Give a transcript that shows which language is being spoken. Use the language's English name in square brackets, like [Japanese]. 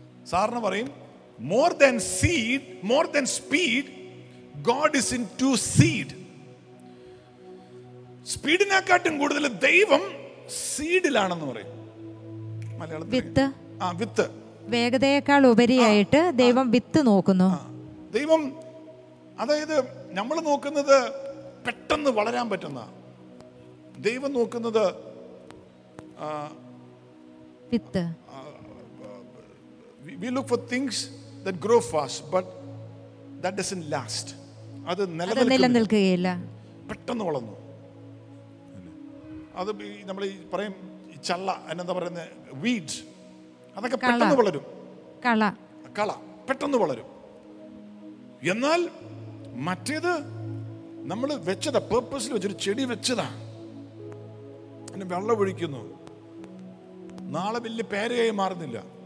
[Malayalam] സാറിന് പറയും, [English] more than seed, more than speed, God is into seed. [Malayalam] സ്പീഡിനെക്കാട്ടും കൂടുതൽ ദൈവം സീഡിലാണെന്ന് പറയും മലയാളത്തിൽ. വിത്ത്, ആ വിത്ത്, വേഗതയേക്കാൾ ഉപരിയായിട്ട് ദൈവം വിത്ത് നോക്കുന്നു. ദൈവം, അതായത് നമ്മൾ നോക്കുന്നത് പെട്ടെന്ന് വളരാൻ പറ്റുന്ന, ദൈവം നോക്കുന്നത് വിത്ത്. [English] We look for things that grow fast, but that doesn't last. [Malayalam] അത് നിലനിൽക്കുകയില്ല, പെട്ടെന്ന് വളർന്നു. അത് നമ്മൾ ഈ പറയും ചള്ള, എന്നെന്താ പറയുന്നത്, വീഡ്സ്, അതൊക്കെ പെട്ടെന്ന് വളരും. കള, കള പെട്ടെന്ന് വളരും. എന്നാൽ മറ്റേത് നമ്മൾ വെച്ചതാ, പേർപ്പസിൽ വെച്ചൊരു ചെടി വെച്ചതാ, അതിന് വെള്ളം ഒഴിക്കുന്നു, നാളെ വലിയ പേരയായി മാറുന്നില്ല.